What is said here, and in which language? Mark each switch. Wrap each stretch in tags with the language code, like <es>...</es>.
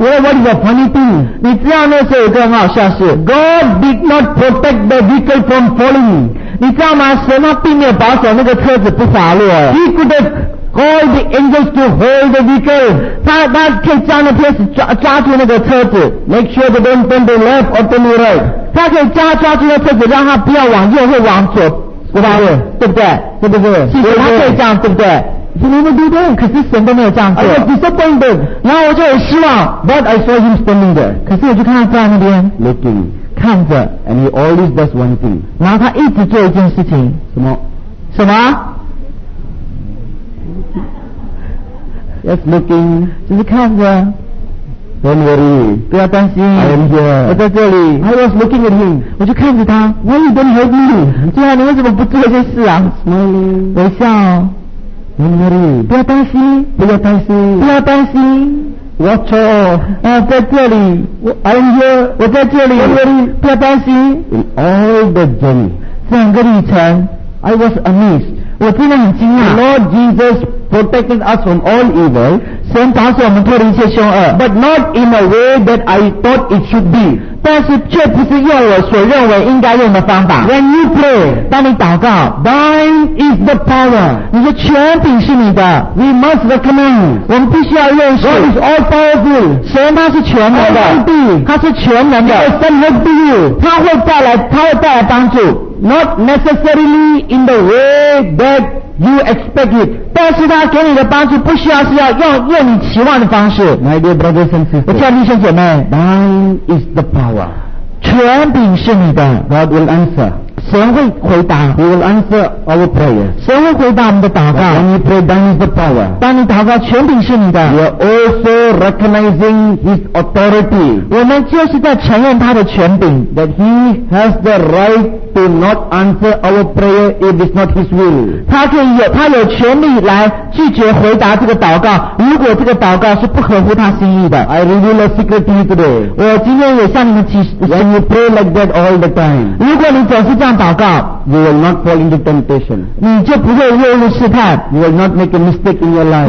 <en>you know what is a funny thing?</en> <zh>你知道那时候有个很好笑事。</zh> <en>God did not protect the vehicle from falling.</en> <zh>你知道吗？神他并没有保守那个车子不滑落。</zh> <en>He could have called the angels to hold the vehicle.</en> <zh>他可以叫那天使抓住那个车子。</zh> <en>Make sure they don't turn to left or turn to right.</en> <zh>他可以抓住那车子，让他不要往右或往左不滑落，对不对？对不对？其实他可以这样，对不对？</zh> <en>He never did that.</en> <zh>可是神都没有这样做。</zh> <en>I was disappointed.</en> <zh>然后我就很失望。</zh> <en>But I saw him standing there.</en> <zh>可是我就看他在那边。</zh> <en>Looking.</en> <zh>看着。</zh> <en>And he always does one thing.</en> <zh>然后他一直做一件事情。什么？什么？</zh> <en>Just looking.</en> <zh>就是看着。</zh> <en>Don't worry.</en> <zh>不要担心。</zh> <en>I am here.</en> <zh>我在这里。</zh> <en>I was looking at him.</en> <zh>我就看着他。</zh> <en>Why you don't help me?</en> <zh>对啊，你为什么不做这些事啊？</zh> <en>Smiling.</en> <zh>微笑。</zh> <en>Don't worry.</en> <zh>不要担心。不要担心。不要担心。</zh> <en>Watch out.</en> <zh>在这里。</zh> <en>I'm here.</en> <zh>我在这里。</zh> <en>Don't worry.</en> <zh>不要担心。</zh> <en>In all the journey.</en> <zh>整个旅程。</zh> <en>I was amazed.</en> <zh>我真的很惊讶。</zh> <en>Lord Jesus protected us from all evil.</en> <zh>神保守我们脱离一切凶恶。</zh> <en>But not in a way that I thought it should be.</en> <zh>但是却不是用我所认为应该用的方法。</zh> <en>When you pray,</en> <zh>当你祷告</zh> <en>，Thine is the power.</en> <zh>你的权柄是你的。</zh> <en>We must recognize.</en> <zh>我们必须要认识。</zh> <en>God is all powerful.</en> <zh>神他是全能的。他是全能的。</zh> <en>He will help you.</en> <zh>他会带来帮助。</zh> <en>Not necessarily in the way that you expect it.</en> <zh>但是他给你的帮助不需要是要用你期望的方式。</zh> <en>My dear brothers and sisters,</en> <zh>我叫弟兄姐妹。</zh> <en>Thine is the power.</en> <zh>权柄是你的。</zh> <en>God will answer.</en> <zh>神会回答。</zh> <en>He will answer our prayers.</en> <zh>神会回答我们的祷告。</zh> <en>When you pray, thine is the power.</en> <zh>当你祷告，权柄是你的。</zh> <en>You are also recognizing his authority.</en> <zh>我们就是在承认他的权柄。</zh> <en>That he has the right. Will not answer our prayer if it's not His will.</en> <zh>他有权利来拒绝回答这个祷告，如果这个祷告是不合乎他心意的。</zh> <en>I reveal a secret to you today.</en> <zh>我今天也向你们提示。</zh> <en>When you pray like that all the time,</en> <zh>如果你总是这样祷告</zh> <en>，you will not fall into temptation.</en> <zh>你就不会落入试探。</zh> <en>You will not make a mistake in your life.</en>